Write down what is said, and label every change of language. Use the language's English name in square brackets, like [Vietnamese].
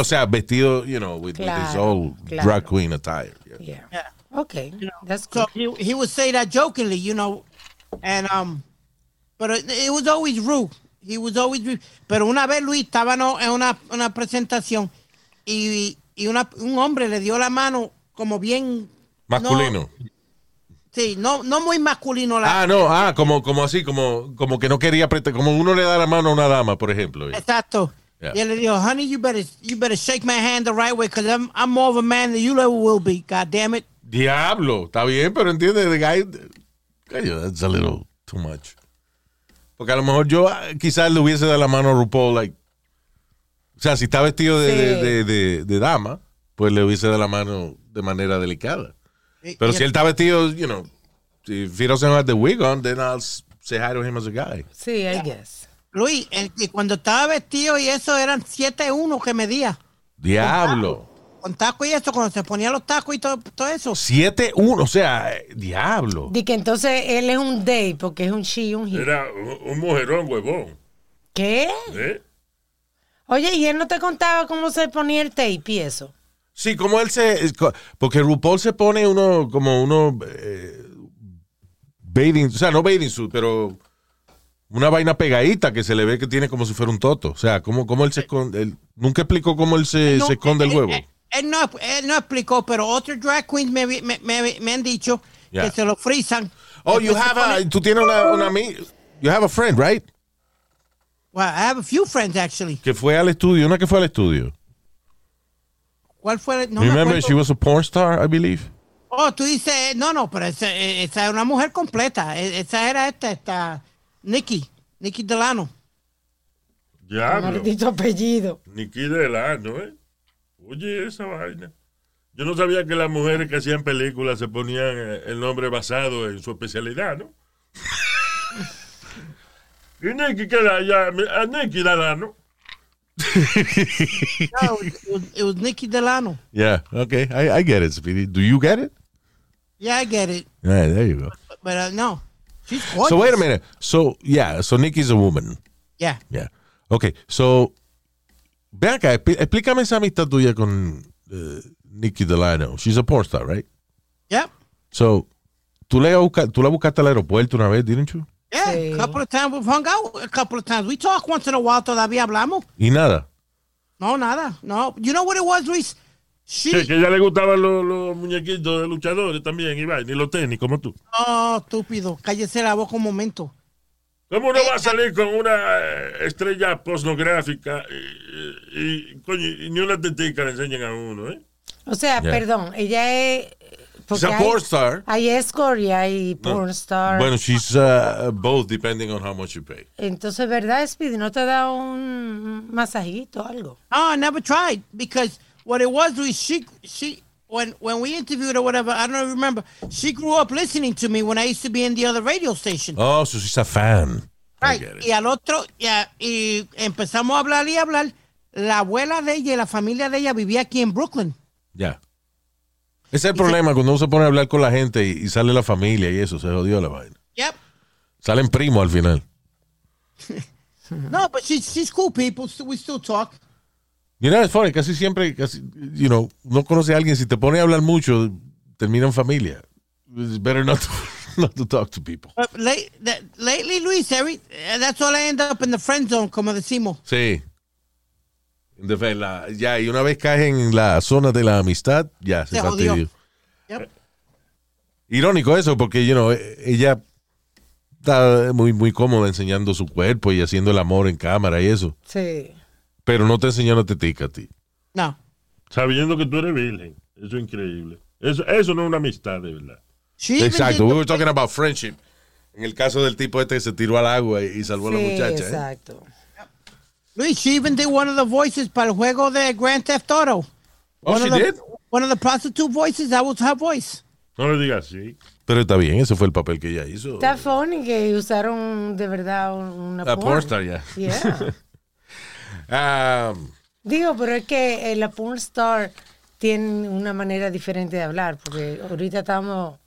[Spanish] O sea, vestido, [English] you know, with his old drag queen attire. Yeah. Okay. You know, that's cool. So he would say that jokingly, you know, and but it was always rude. He was always rude. [Spanish] Pero una vez Luis estaba en una presentación y un hombre le dio la mano como bien masculino. No, sí, no muy masculino. Como así, como que no quería apretar, como uno le da la mano a una dama, por ejemplo. [English] Exacto. Yeah. [Spanish] Y él le dijo, [English] honey, you better shake my hand the right way, because I'm more of a man than you ever will be, god damn it. [Spanish] Diablo, está bien, pero entiende, [English] the guy, that's a little too much. [Spanish] Porque a lo mejor yo quizás le hubiese dado la mano a RuPaul, [English] like, [Spanish] o sea, si está vestido de dama, pues le hubiese dado la mano de manera delicada. Pero si él está vestido, [English] you know, if he doesn't have the wig on, then I'll say hi to him as a guy. [Spanish] Sí, [English] I guess. [Spanish] Luis, cuando estaba vestido y eso eran 7'1 que medía. Diablo. Con taco y eso, cuando se ponía los tacos y todo eso. 7'1, o sea, diablo. Y que entonces él es un day porque es un she y un he. Era un mujerón, huevón. ¿Qué? ¿Eh? Oye, ¿y él no te contaba cómo se ponía el tape y eso? Sí, como él se... Porque RuPaul se pone uno como uno... bathing, o sea, no bathing suit, pero una vaina pegadita que se le ve que tiene como si fuera un toto. O sea, ¿cómo él se esconde? Él, nunca explicó cómo él se esconde el huevo. Él no explicó, pero otros drag queens me han dicho que se lo frizan. [English] Oh, you have [Spanish] tú tienes una amiga... [English] You have a friend, right? Well, I have a few friends, actually. [Spanish] Que fue al estudio, una que fue al estudio. ¿Cuál fue? [English] No, remember, she was a porn star, I believe. [Spanish] Oh, tú dices, no, pero esa es una mujer completa. Esa era esta Nikki Delano. Ya, maldito apellido. Nikki Delano, ¿eh? Oye, esa vaina. Yo no sabía que las mujeres que hacían películas se ponían el nombre basado en su especialidad, ¿no? Y Nikki, ¿qué era? Ya, a Nikki Delano. [English] No, it was Nikki Delano. Yeah, okay, I get it, Speedy. Do you get it? Yeah, I get it. Yeah, right, there you go. But no, she's gorgeous. So wait a minute. So Nikki's a woman. Yeah. Yeah. Okay. So, [Spanish] ven acá, explícame esa amistad tuya [English] con Nikki Delano. She's a porn star, right? Yep. [Spanish] So, tú la buscaste al aeropuerto una vez, [English] didn't you? Yeah, [Spanish] sí. [English] A couple of times we've hung out. A couple of times we talk once in a while. [Spanish] Todavía hablamos. Y nada. No, nada. No. [English] You know what it was, Luis? She. [Spanish] Sí, que ella le gustaban los muñequitos de luchadores también, Iván, y los tenis, como tú. No, estúpido. Cállese la boca un momento. ¿Cómo uno va a salir con una estrella pornográfica y ni una tetica le enseñan a uno, eh? O sea, perdón. Ella es. Porque [English] she's a porn star. [Spanish] Hay escort y hay porn star. [English] Bueno, she's both, depending on how much you pay. [Spanish] Entonces, ¿verdad, Speedy? ¿No te da un masajito o algo? [English] No, I never tried, because what it was, Luis, she when we interviewed or whatever, I don't remember, she grew up listening to me when I used to be in the other radio station. Oh, so she's a fan. [Spanish] Right, y al otro, yeah, y empezamos a hablar y hablar. La abuela de ella y la familia de ella vivía aquí en Brooklyn. [English] Yeah. [Spanish] Ese es el problema, cuando uno se pone a hablar con la gente y sale la familia y eso, se jodió la vaina. [English] Yep. [Spanish] Salen primos al final. [English] No, but she's cool people, so we still talk. You know, it's funny, [Spanish] casi siempre, you know, no conoce a alguien, si te pone a hablar mucho, termina en familia. [English] It's better not to talk to people. Lately, Luis, that's all I end up in the friend zone, [Spanish] como decimos. Sí. Ya, y una vez caes en la zona de la amistad, ya, se fastidió. [English] Yep. [Spanish] irónico eso, porque, [English] you know, [Spanish] ella está muy, muy cómoda enseñando su cuerpo y haciendo el amor en cámara y eso. Sí. Pero no te enseñó la tetica a ti. No. Sabiendo que tú eres virgen. Eso es increíble. Eso no es una amistad, de verdad. Sí. Exacto. [English] We were talking about friendship. [Spanish] En el caso del tipo este que se tiró al agua y salvó, sí, a la muchacha. Sí, exacto. [English] Luis, she even did one of the voices [Spanish] para el juego de [English] Grand Theft Auto. Oh, one she the, did? One of the prostitute voices, that was her voice. [Spanish] No le digas, sí. Pero está bien, ese fue el papel que ella hizo. Está funny que usaron de verdad una [English] porn. A porn star, [Spanish] ya. [English] Yeah. Yeah. [Spanish] Digo, pero es que la porn star tiene una manera diferente de hablar, porque ahorita estamos...